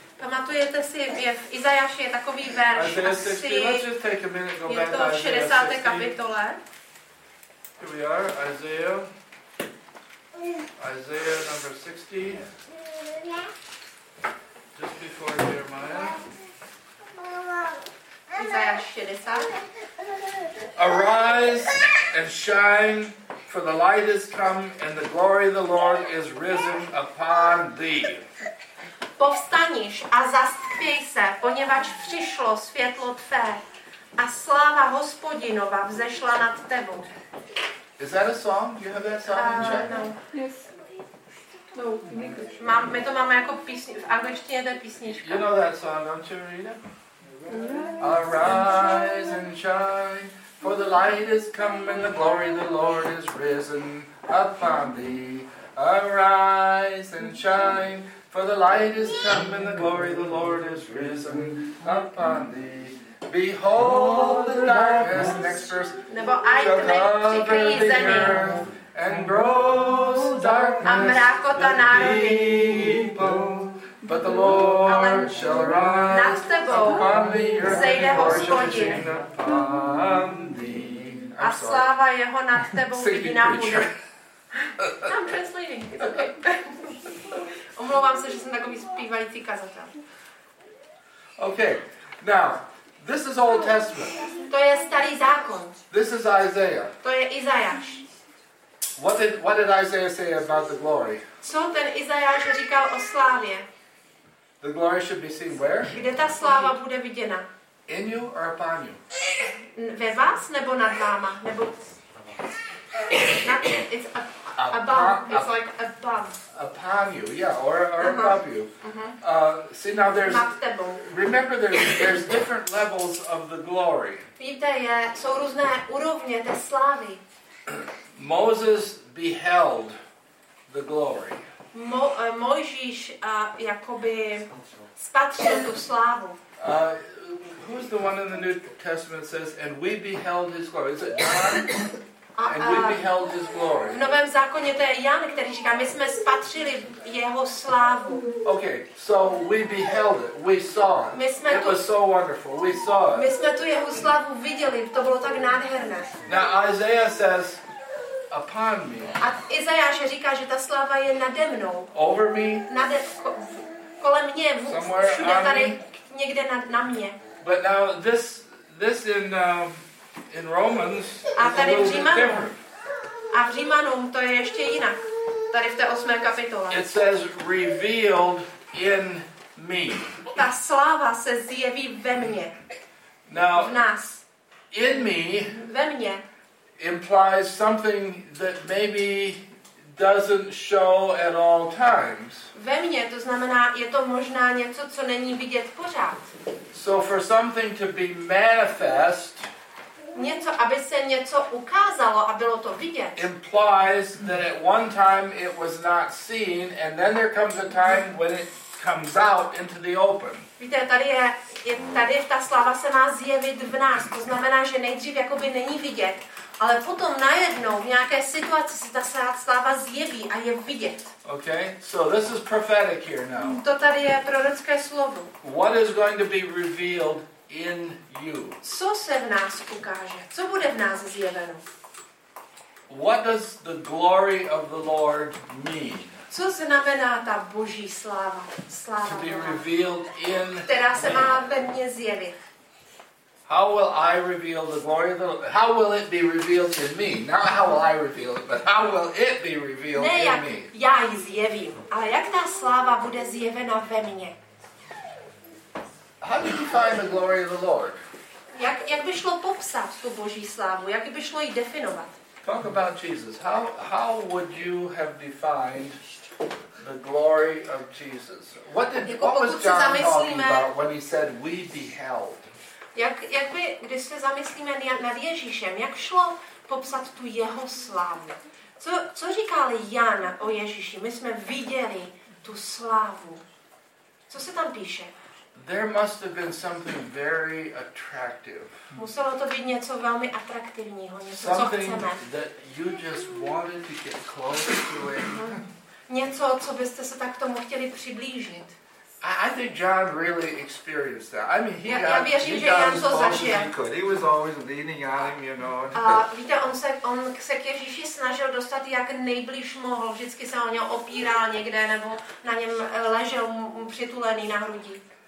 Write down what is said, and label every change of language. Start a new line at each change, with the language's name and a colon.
Czech: Pamatujete si, je v Izajáši je takový verš asi,
English: let's just take a minute, go back to
Czech: 60. kapitole.
English: Here we are, Isaiah number 60, just before Jeremiah.
Czech: Izajáš 60.
English: Arise and shine, for the light is come, and the glory of the Lord is risen upon thee.
Czech: Povstaníš a zastvěj se, poněvadž přišlo světlo tvé a sláva Hospodinova vzešla nad tebou.
English: Is that a song? Do you have that song in Czech? No. Yes. No.
Czech: My to máme jako písni, v angličtině to je písnička.
English: You know that song, don't you, Rita? Arise and shine, for the light is come and the glory of the Lord is risen upon thee. Arise and shine, for the light is come, and the glory of the Lord is risen upon thee. Behold the darkness, next verse, shall cover the earth, and gross darkness the people. But the Lord shall rise upon the earth, and the glory shall be seen upon thee.
Czech: A sláva jeho nad tebou vidina bude.
English: I'm translating, it's okay.
Czech: Omlouvám se, že jsem takový zpívající kazatel.
English: Okay, now, this is Old Testament.
Czech: To je starý zákon.
English: This is Isaiah.
Czech: To je Izajáš.
English: What did Isaiah say about the glory?
Czech: Co ten Izajáš říkal o slávě?
English: The glory should be seen where?
Czech: Kde ta sláva bude viděna?
English: In you or upon you?
Czech: Ve vás nebo nad váma? Nebo... Na,
English: upon you, yeah, or above you. See, now there's, remember there's different levels of the glory.
Czech: Víte, jsou různé úrovně té slávy.
English: Moses beheld the glory.
Czech: Mojžíš jakoby spatřil tu slávu.
English: Who's the one in the New Testament says, and we beheld his glory? Is it John? And we beheld his glory.
Czech: V Novém zákoně to je Jan, který říká, my jsme spatřili jeho slávu.
English: Okay, so we beheld it, we saw it.
Czech: My jsme
English: it
Czech: tu,
English: was so wonderful, we saw it.
Czech: My jsme tu jeho slávu viděli, to bylo tak nádherné.
English: Now Isaiah says, upon me.
Czech: A Izajáš říká, že ta sláva je nade mnou.
English: Over me.
Czech: Nade, kolem mě,
English: somewhere
Czech: všude tady,
English: me.
Czech: Někde na mě.
English: But now this in Romans
Czech: a tady v Římanům. A v Římanům to je ještě jinak. Tady v té 8. kapitole.
English: It says revealed in me.
Czech: Ta sláva se zjeví ve mně.
English: Now,
Czech: v nás.
English: In me.
Czech: Ve mně.
English: Implies something that maybe doesn't show at all times.
Czech: Ve mně to znamená, je to možná něco, co není vidět pořád.
English: So for something to be manifest,
Czech: něco, aby se něco ukázalo a bylo to vidět,
English: implies that at one time it was not seen, and then there comes a time when it comes out into the open.
Czech: Víte, tady ta sláva se má zjevit v nás. To znamená, že nejdřív jakoby není vidět, ale potom najednou v nějaké situaci se ta sláva zjeví a je vidět.
English: Okay, so this is prophetic here now.
Czech: To tady je prorocké slovo.
English: What is going to be revealed in you?
Czech: Co se v nás ukáže? Co bude v nás zjeveno?
English: What does the glory of the Lord mean?
Czech: Co znamená ta Boží sláva? Sláva
English: to be revealed in
Czech: která se má ve mně zjevit.
English: How will I reveal the glory of the Lord? How will it be revealed in me? Not how will I reveal it, but how will it be revealed
Czech: ne,
English: in
Czech: jak
English: me?
Czech: Já ji zjevím, ale jak ta sláva bude zjevena ve mně?
English: How did you find the glory of the Lord?
Czech: Jak by šlo popsat tu Boží slávu? Jak by šlo ji definovat?
English: Talk about Jesus. How would you have defined the glory of Jesus? What was John talking about when he said we beheld?
Czech: Když se zamyslíme nad Ježíšem, jak šlo popsat tu jeho slávu? Co říkal Jan o Ježíši? My jsme viděli tu slávu. Co se tam píše?
English: There must have been something very attractive.
Czech: Muselo to být něco velmi atraktivního, něco,
English: something
Czech: co chceme.
English: Something that you just wanted to get close to it.
Czech: Něco, co byste se tak tomu chtěli přiblížit.
English: I think John really experienced that. I mean, he got as close as he could. He was always leaning on him, you know.
Czech: Víte, on se k Ježíši snažil dostat jak nejblíž mohl. Vždycky se o něj opíral někde, nebo na něm ležel přitulený na hrudi.